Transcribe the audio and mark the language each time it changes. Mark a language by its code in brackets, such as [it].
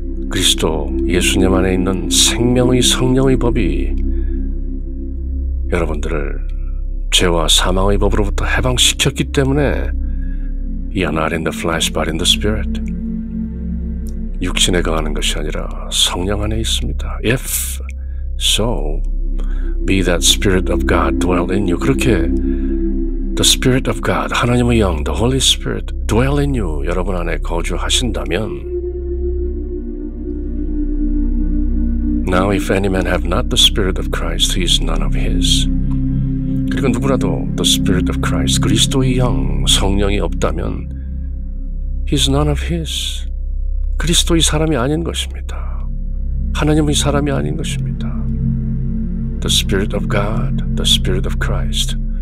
[ko] 그리스도 예수님 안에 있는 생명의 성령의 법이 여러분들을 죄와 사망의 법으로부터 해방시켰기 때문에 [en] ye are not in the flesh but in the spirit. [ko] 육신에 거하는 것이 아니라 성령 안에 있습니다. [en] If so, be that spirit of God dwell in you. [ko] 그렇게 [en] the spirit of God, [ko] 하나님의 영, [en] the Holy Spirit dwell in you. [ko] 여러분 안에 거주하신다면 [en] Now if any man have not the spirit of Christ, he is none of his. [ko] 그리고 누구라도 [en] the spirit of Christ, [ko] 그리스도의 영, 성령이 없다면 [en] he is none of his. [ko] 그리스도의 사람이 아닌 것입니다. 하나님의 사람이 아닌 것입니다. [en] The Spirit of God, the Spirit of Christ.